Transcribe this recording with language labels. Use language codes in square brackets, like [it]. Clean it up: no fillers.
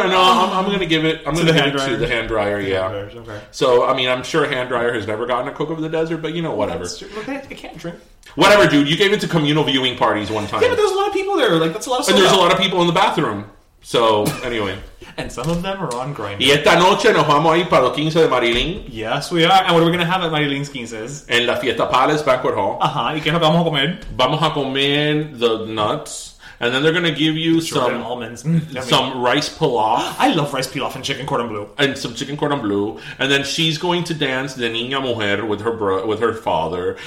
[en] I'm going to give it to the hand dryer. Yeah. Okay. So, I mean, I'm sure a hand dryer has never gotten a Coke over the desert, but you know, whatever. Okay, I can't drink. Whatever, dude. You gave it to communal viewing parties one time. Yeah, but there's a lot of people there. Like, that's a lot of stuff. And there's a lot of people in the bathroom. So, anyway. And some of them are on Grindr. [es] Y esta noche nos vamos a ir para los 15 de Marilyn. [en] Yes, we are. And what are we going to have at Marilyn's 15s? [es] En la fiesta Palace Banquet Hall. Ajá. ¿Y qué vamos a comer? Vamos a comer [en] the nuts. And then they're going to give you some rice pilaf. I love rice pilaf and chicken cordon bleu. And some chicken cordon bleu. And then she's going to dance the niña mujer with her father.